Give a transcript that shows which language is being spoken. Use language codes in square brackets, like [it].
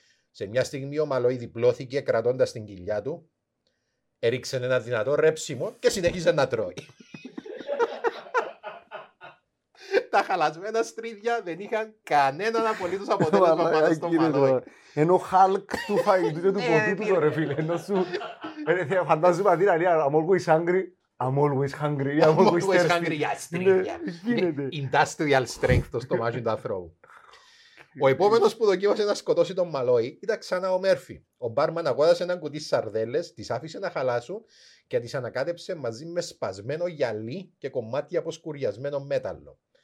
[el] Σε μια στιγμή ο Μαλόη διπλώθηκε κρατώντας την κοιλιά του, έριξε ένα δυνατό ρέψιμο και συνέχισε να τρώει. Τα χαλασμένα στρίδια δεν είχαν κανέναν απολύτως αποτέλεσμα πάνω στον Μαλόη. Ενώ Hulk του φαγητού και του ποτή του το ρε φίλε. Φαντάζομαι ότι είναι [en] I'm always hungry, I'm always hungry. I'm always hungry [el] για στρίδια. [en] Industrial strength [el] το στομάχι του ανθρώπου. Ο επόμενος που δοκίμασε να σκοτώσει τον Μαλόη ήταν ξανά ο Μέρφη. Ο μπάρμαν αγόρασε ένα κουτί σαρδέλες, τις άφησε να χαλάσουν και τις ανακάτεψε μαζί με σπασμένο γυαλί και κομμάτια από σκουριασμένο μέταλλο.